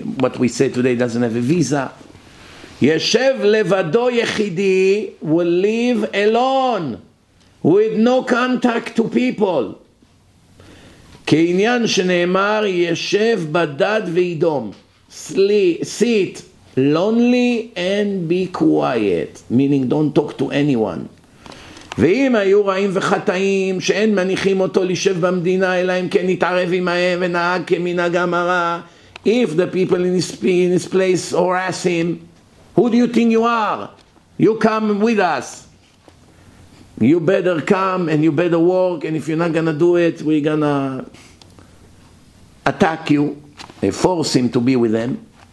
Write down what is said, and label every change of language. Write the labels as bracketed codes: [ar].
[en] What we say today doesn't have a visa. [he] Yeshev levado yechidi [en] will live alone with no contact to people. [he] Keinyan shenemar yeshev badad veidom. [en] Sit lonely and be quiet, meaning don't talk to anyone. [he] ואם היו רעים וחטאים שאין מניחים אותו לשב במדינה אלא אם כן יתערב עמהם ונהג כמנהג המרה. [en] If the people in his place harass him, who do you think you are? You come with us. You better come and you better work, and if you're not gonna do it, we're gonna attack you and force him to be with them.